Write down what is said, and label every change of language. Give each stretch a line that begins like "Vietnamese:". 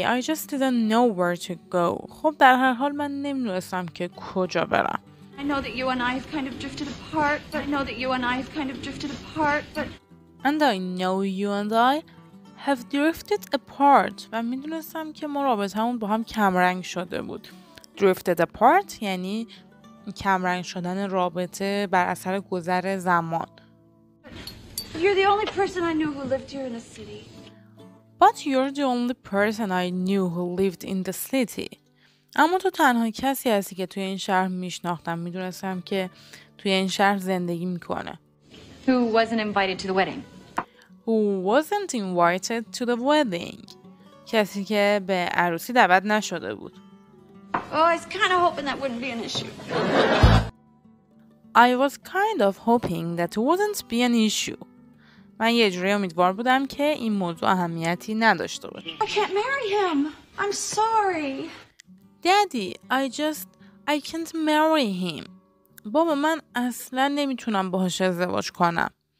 English: So anyway, I just didn't know where to go.
Persian: خب در هر حال من نمیدونستم که کجا برم.
English: I know that you and I have kind of drifted apart, but I know that you and I have kind of drifted apart, but... And I know you and I have drifted apart.
Persian: و میدونستم که ما رابطه‌مون با هم کمرنگ شده بود.
English: Drifted apart
Persian: یعنی کمرنگ شدن رابطه بر اثر گذر زمان.
English: You're the only person I knew who lived here in the city. But you're the only person I knew who lived in the city.
Persian: اما تو تنها کسی هستی که توی این شهر میشناختم میدونستم که توی این شهر زندگی میکنه.
English: Who wasn't invited to the wedding? Who wasn't invited to the wedding?
Persian: کسی که به عروسی دعوت نشده بود.
English: I was kind of hoping that wouldn't be an issue.
Persian: من یه جوری امیدوار بودم که این موضوع اهمیتی نداشته باشه.
English: I can't marry him. I'm sorry. Daddy, I can't marry him.
Persian: بابا من اصلا نمیتونم باهاش ازدواج کنم.